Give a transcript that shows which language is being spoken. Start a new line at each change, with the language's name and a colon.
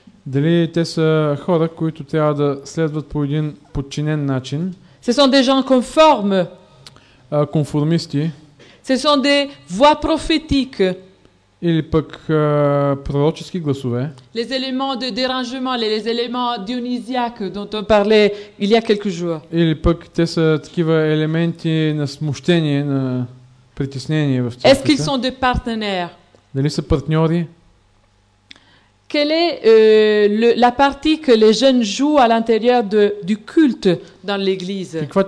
Bulgarian: Дали те са хора, които трябва да следват по един подчинен начин?
French: Ce sont des gens conformes.
Bulgarian: Конформисти.
French: Ce sont des voix prophétiques.
Bulgarian: Или пък пророчески гласове.
French: Les éléments de dérangement, les éléments dionysiaques dont on parlait il y a quelques jours.
Bulgarian: Или пък те са такива елементи на смущение, на притеснение в църквата.
French: Est-ce qu'ils sont des partenaires?
Bulgarian: Дали са партньори?
French: Quelle est la partie que les jeunes jouent à l'intérieur du culte dans l'église?